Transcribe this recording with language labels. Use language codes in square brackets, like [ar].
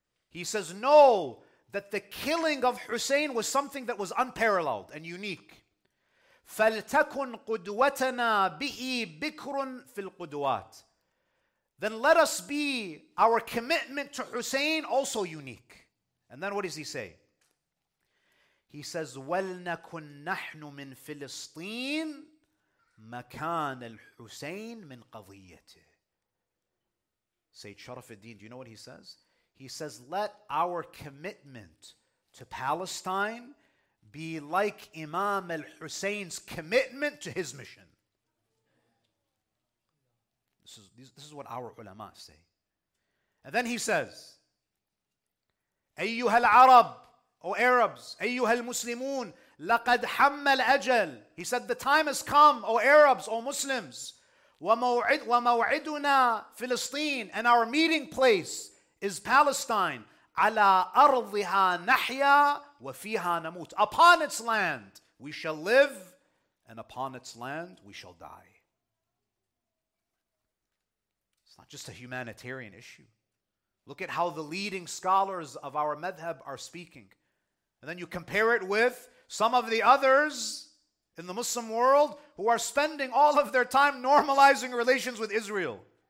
[en] He says, know that the killing of Hussein was something that was unparalleled and unique. [ar] فَلْتَكُنْ قُدْوَتَنَا بِهِ بِكْرٌ فِي الْقُدْوَاتِ. [en] Then let us be our commitment to Hussein also unique. And then what does he say? He says, [ar] وَلْنَكُنْ نَحْنُ مِنْ فِلِسْطِينَ مَكَانَ الْحُسَيْنِ مِنْ قَضِيَّتِهِ. [en] Sayyid Sharaf al-Din, do you know what he says? He says, let our commitment to Palestine be like Imam al-Hussein's commitment to his mission. This is what our ulama say. And then he says, [ar] أَيُّهَا الْعَرَبِ. [en] O Arabs, [ar] أيها المسلمون, لقد حم الأجل. [en] He said, the time has come, O Arabs, O Muslims. [ar] وموعدنا فلسطين, [en] and our meeting place is Palestine. [ar] على أرضها نحيا وفيها نموت. [en] Upon its land we shall live, and upon its land we shall die. It's not just a humanitarian issue. Look at how the leading scholars of our madhab are speaking. And then you compare it with some of the others in the Muslim world who are spending all of their time normalizing relations with Israel.